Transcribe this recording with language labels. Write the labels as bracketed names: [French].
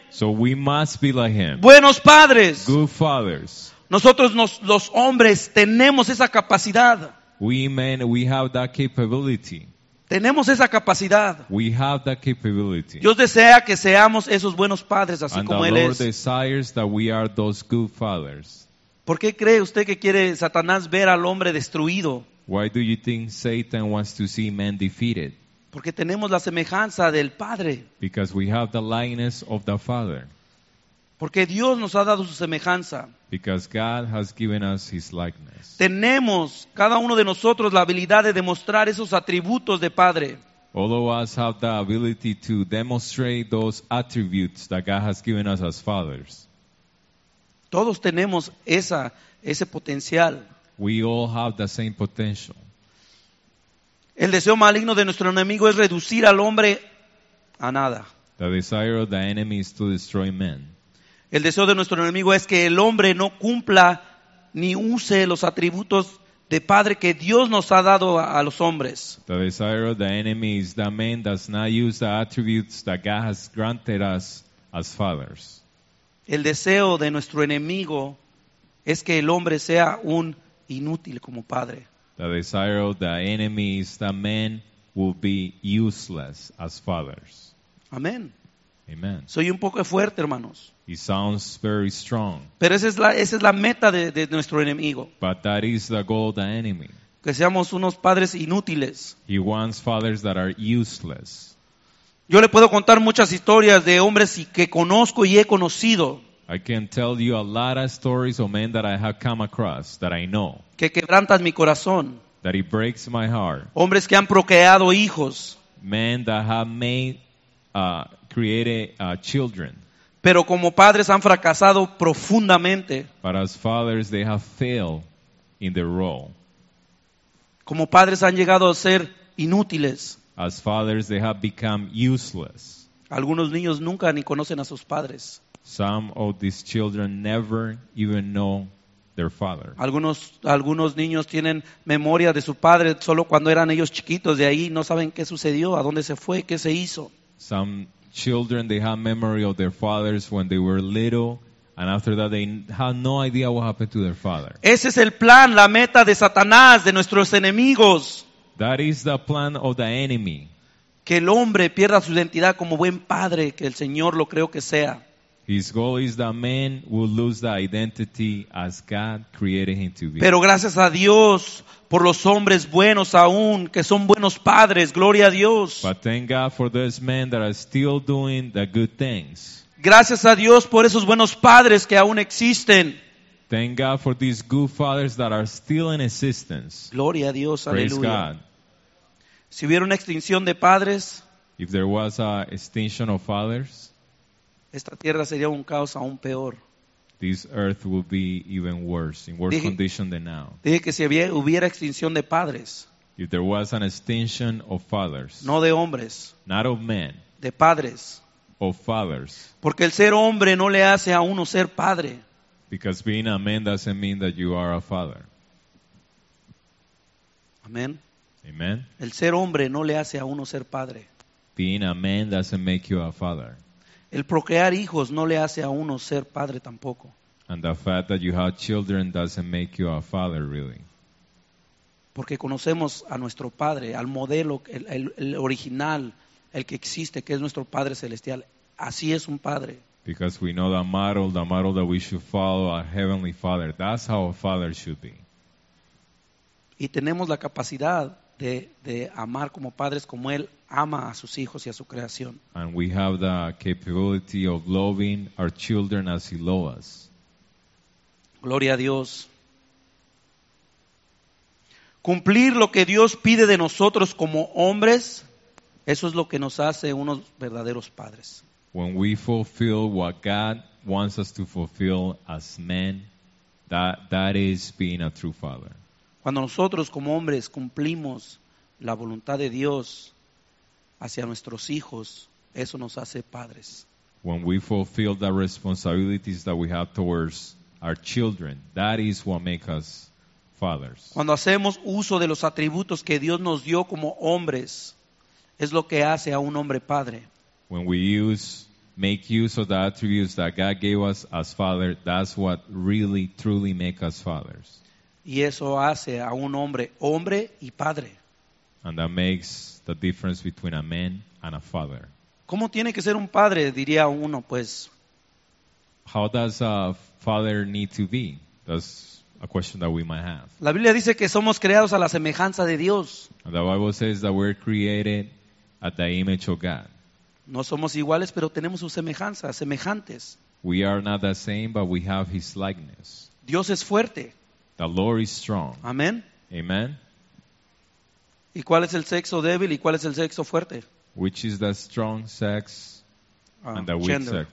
[English] So we must be like Him. [Spanish] Buenos padres. [English] Good fathers. [Spanish] Nosotros los hombres tenemos esa capacidad. [English] We men, we have that capability. [Spanish] Tenemos esa capacidad. [English] We have that capability. [Spanish] Dios desea que seamos esos buenos padres así [English] and [Spanish] como [English] the [Spanish] Él [English] Lord [Spanish] es. [English] And the Lord desires that we are those good fathers. [Spanish] ¿Por qué cree usted que quiere Satanás ver al hombre destruido? [English] Why do you think Satan wants to see men defeated? [Spanish] Porque tenemos la semejanza del Padre. [English] Because we have the likeness of the Father. [Spanish] Porque Dios nos ha dado su semejanza. [English] Because God has given us His likeness. [Spanish] Tenemos cada uno de nosotros la habilidad de demostrar esos atributos de Padre. [English] All of us have the ability to demonstrate those attributes that God has given us as fathers. [Spanish] Todos tenemos ese potencial. [English] We all have the same potential. [Spanish] El deseo maligno de nuestro enemigo es reducir al hombre a nada. [English] The desire of the enemy is to destroy men. [Spanish] El deseo de nuestro enemigo es que el hombre no cumpla ni use los atributos de padre que Dios nos ha dado a los hombres. [English] The desire of the enemy is that man does not use the attributes that God has granted us as fathers. [Spanish] El deseo de nuestro enemigo es que el hombre sea un inútil como padre. [English] The desire of the enemy is that men will be useless as fathers. [Spanish] Amén. [English] Amen. [Spanish] Soy un poco fuerte, hermanos. [English] It sounds very strong. [Spanish] Pero esa es la meta de nuestro enemigo. [English] But that is the goal of the enemy. [Spanish] Que seamos unos padres inútiles. [English] He wants fathers that are useless. [Spanish] Yo le puedo contar muchas historias de hombres que conozco y he conocido. [English] I can tell you a lot of stories of men that I have come across that I know. [Spanish] Que quebrantan mi corazón. [English] That it breaks my heart. [Spanish] Hombres que han procreado hijos. [English] Men that have made created children. [Spanish] Pero como padres han fracasado profundamente. [English] But as fathers, they have failed in their role. [Spanish] Como padres han llegado a ser inútiles. [English] As fathers, they have become useless. [Spanish] Algunos niños nunca ni conocen a sus padres. [English] Some of these children never even know their father. [Spanish] Algunos niños tienen memoria de su padre solo cuando eran ellos chiquitos. De ahí no saben qué sucedió, a dónde se fue, qué se hizo. [English] Some children, they have memory of their fathers when they were little, and after that they have no idea what happened to their father. [Spanish] Ese es el plan, la meta de Satanás, de nuestros enemigos. [English] That is the plan of the enemy. [Spanish] Que el hombre pierda su identidad como buen padre, que el Señor lo creo que sea. [English] His goal is that man will lose the identity as God created him to be. [Spanish] Pero gracias a Dios por los hombres buenos aún, que son buenos padres. Gloria a Dios. [English] But thank God for those men that are still doing the good things. [Spanish] Gracias a Dios por esos buenos padres que aún existen. [English] Thank God for these good fathers that are still in existence. [Spanish] Gloria a Dios. [English] Praise [Spanish] aleluya. [English] God. [Spanish] Si hubiera una extinción de padres. [English] If there was a extinction of fathers. [Spanish] Esta tierra sería un caos aún peor. [English] This earth will be even worse, in worse condition than now. [Spanish] Dije que si hubiera extinción de padres. [English] If there was an extinction of fathers. [Spanish] No de hombres. [English] Not of men. [Spanish] De padres. [English] Of fathers. [Spanish] Porque el ser hombre no le hace a uno ser padre. [English] Because being a man doesn't mean that you are a father. [Spanish] Amen. [English] Amen. [Spanish] El ser hombre no le hace a uno ser padre. [English] Being a man doesn't make you a father. [Spanish] El procrear hijos no le hace a uno ser padre tampoco. [English] And the fact that you have children doesn't make you a father, really. [Spanish] Porque conocemos a nuestro padre, al modelo, el original, el que existe, que es nuestro Padre Celestial. Así es un padre. [English] Because we know the model that we should follow, our Heavenly Father. That's how a father should be. [Spanish] Y tenemos la capacidad de amar como padres, como Él ama a sus hijos y a su creación. [English] And we have the capability of loving our children as He loves us. [Spanish] Gloria a Dios. Cumplir lo que Dios pide de nosotros como hombres, eso es lo que nos hace unos verdaderos padres. [English] When we fulfill what God wants us to fulfill as men, that is being a true father. [Spanish] Cuando nosotros como hombres cumplimos la voluntad de Dios hacia nuestros hijos, eso nos hace padres. [English] When we fulfill the responsibilities that we have towards our children, that is what makes us fathers. [Spanish] Cuando hacemos uso de los atributos que Dios nos dio como hombres, es lo que hace a un hombre padre. [English] When we make use of the attributes that God gave us as father, that's what really truly makes us fathers. [Spanish] Y eso hace a un hombre hombre y padre. [English] And that makes the difference between a man and a father. [Spanish] ¿Cómo tiene que ser un padre? Diría uno, pues. [English] How does a father need to be? That's a question that we might have. [Spanish] La Biblia dice que somos creados a la semejanza de Dios. [English] The Bible says that we're created at the image of God. [Spanish] No somos iguales, pero tenemos su semejanza, semejantes. [English] We are not the same, but we have His likeness. [Spanish] Dios es fuerte. [English] The Lord is strong. [Spanish] Amén. [English] Amen. [Spanish] ¿Y cuál es el sexo débil y cuál es el sexo fuerte? [English] Which is the strong sex and the weak sex?